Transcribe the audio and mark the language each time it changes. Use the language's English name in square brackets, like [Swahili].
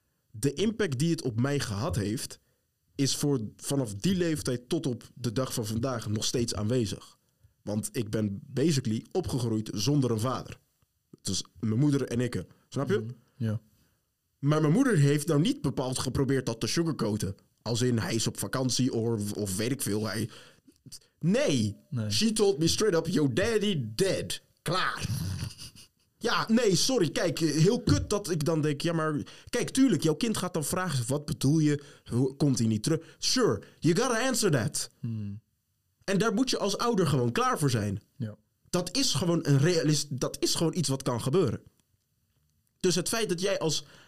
[Dutch] De impact die het op mij gehad heeft, is voor vanaf die leeftijd tot op de dag van vandaag nog steeds aanwezig. Want ik ben basically opgegroeid zonder een vader. Dus mijn moeder en ik. Snap je? Ja. Maar mijn moeder heeft nou niet bepaald geprobeerd dat te sugarcoaten. Als in hij is op vakantie of weet ik veel. Nee. [English] She told me straight up, your daddy dead. [Dutch] Klaar. Ja, nee, sorry. Kijk, heel kut dat ik dan denk, ja, maar kijk, tuurlijk, jouw kind gaat dan vragen, wat bedoel je? Komt hij niet terug? [English] Sure, you gotta answer that. Hmm. [Dutch] En daar moet je als ouder gewoon klaar voor zijn. Ja. Dat is gewoon een realist. Dat is gewoon iets wat kan gebeuren. Dus het feit dat jij als...